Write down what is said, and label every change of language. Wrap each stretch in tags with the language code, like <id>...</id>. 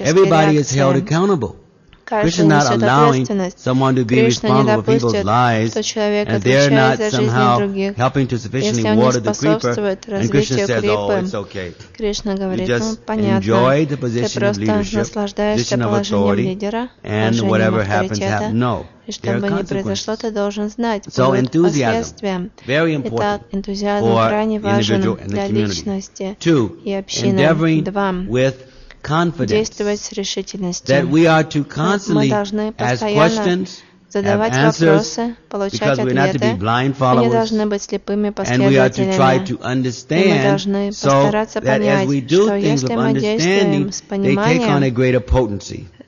<en>Everybody is held accountable. Krishna is not allowing someone to be responsible for people's lives, and they're not somehow helping to sufficiently water the creeper, and Krishna says, oh, it's okay. You just enjoy the position of leadership, position of authority, and whatever happens, happens. No.</en> <ru>И что бы ни произошло, ты должен знать, будут последствия. Итак, энтузиазм крайне важен для личности и общины. Два.</ru> <en>Confidence that we are to constantly ask questions, have answers, because we're not to be blind followers, and we are to try to understand so that as we do things with understanding, they take on a greater potency.</en>